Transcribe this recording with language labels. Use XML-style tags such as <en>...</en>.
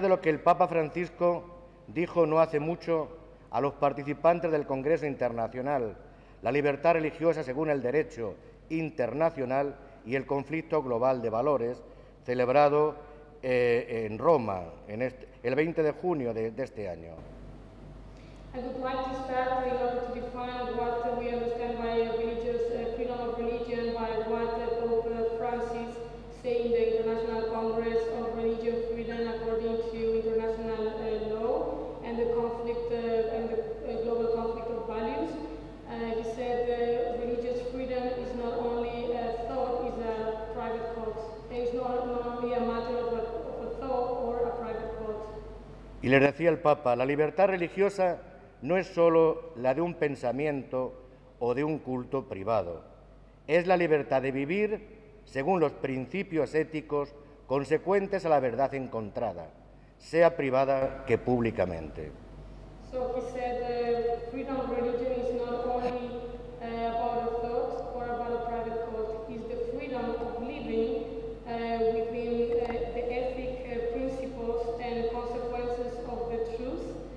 <es>de lo que el Papa Francisco dijo no hace mucho a los participantes del Congreso Internacional, La libertad religiosa según el derecho internacional y el conflicto global de valores celebrado en Roma en el 20 de junio de este año.</es> <en>I would like to start in order to define what we understand by religious freedom of religion, by what Pope Francis said in the International Congress of Religion Freedom according to international law and the conflict and the global conflict of values. He said religious freedom is not only a thought, it's a private thought. It's not only a matter of a thought or a private thought.</en> <es>Y le decía el Papa, la libertad religiosa no es solo la de un pensamiento o de un culto privado. Es la libertad de vivir según los principios éticos consecuentes a la verdad encontrada, sea privada que públicamente.</es> <en>So he said the freedom of religion is not only about a thought or about a private thought. It's the freedom of living within the ethic principles and consequences of the truth.</en>